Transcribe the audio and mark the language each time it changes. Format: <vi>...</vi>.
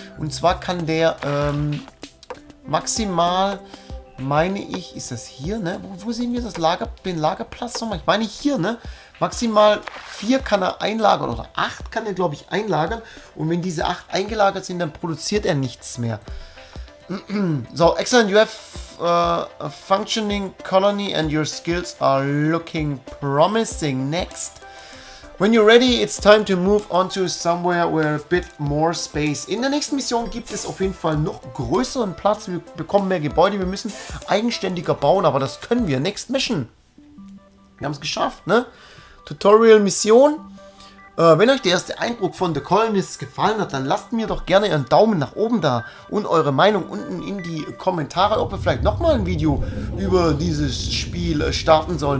<de>Und zwar kann der maximal, meine ich, ist das hier, ne? Wo sehen wir das Lager, den Lagerplatz nochmal? Ich meine hier, ne? Maximal 4 kann er einlagern oder 8 kann er, glaube ich, einlagern. Und wenn diese 8 eingelagert sind, dann produziert er nichts mehr.</de> <en>So, excellent, you have a functioning colony and your skills are looking promising. Next. When you're ready, it's time to move on to somewhere where a bit more space.</en> <de>In der nächsten Mission gibt es auf jeden Fall noch größeren Platz. Wir bekommen mehr Gebäude. Wir müssen eigenständiger bauen, aber das können wir. Next Mission. Wir haben es geschafft, ne? Tutorial Mission. Wenn euch der erste Eindruck von The Colonist gefallen hat, dann lasst mir doch gerne einen Daumen nach oben da und eure Meinung unten in die Kommentare, ob wir vielleicht nochmal ein Video über dieses Spiel starten sollen.</de>